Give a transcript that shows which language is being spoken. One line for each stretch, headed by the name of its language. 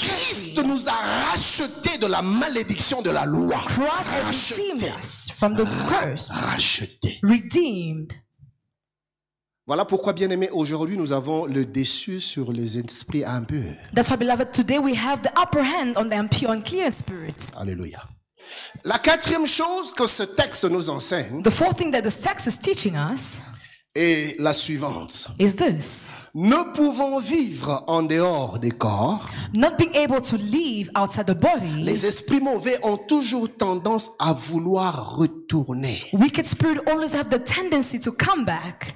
French: Christ nous a rachetés de la malédiction de la loi.
English: Christ has redeemed us from the curse.
French: Rachetés.
English: Redeemed.
French: Voilà pourquoi, bien-aimés, aujourd'hui nous avons le dessus sur les esprits impurs.
English: That's why, beloved, today we have the upper hand on the impure and clear spirits.
French: Alléluia. La quatrième chose que ce texte nous enseigne.
English: The fourth thing that this text is teaching us.
French: Et la suivante.
English: Is this?
French: Ne pouvons vivre en dehors des corps.
English: Not being able to live outside the body.
French: Les esprits mauvais ont toujours tendance à vouloir retourner.
English: Wicked spirits always have the tendency to come back.